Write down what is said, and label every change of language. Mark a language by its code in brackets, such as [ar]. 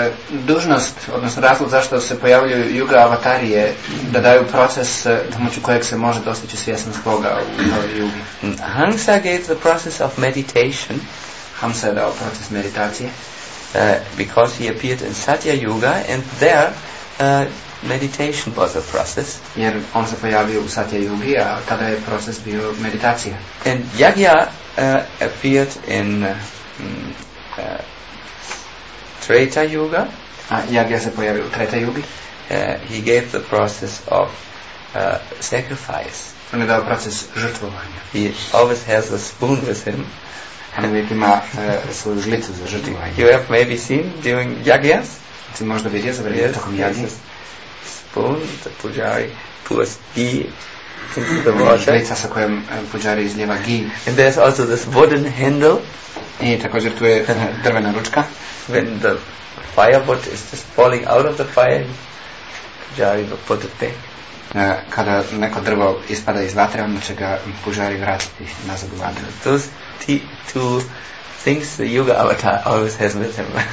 [hr] Dužnost, odnosno razlog zašto se pojavljuju yuga avatari je da daju proces pomoću kojeg se može dostići svjesnost Boga u yugi. [en] Hamsa gave the process of meditation. [hr] Hamsa je dao proces meditacije. [en] Because he appeared in Satya Yuga and there meditation was a process. [hr] Jer on se pojavio u Satya Yugi, a tada je proces bio meditacija. [en] And Yagya appeared in Treta Yuga. [hr] Yagya se pojavio u Treta Yugi. [en] He gave the process of sacrifice. [hr] On je dao proces žrtvovanja. [en] He always has a spoon with him. [hr] On uvijek ima svoju žlicu za žrtvovanje. [en] You have maybe seen during Yagyas. [hr] Si možda vidio za vrijeme tokom Yagya. [en] Spoon the pujari pours ghee into the water. [hr] Žlica sa kojom pujari izljeva ghee. [en] And there's also this wooden handle. [hr] I također tu je drvena ručka. [en] When the firewood is just falling out of the fire, pujari will put it back. [hr] Kada neko drvo ispada iz vatre, onda će ga pujari vratiti nazad u vatru. [en] Those two things the yoga avatar always has with him.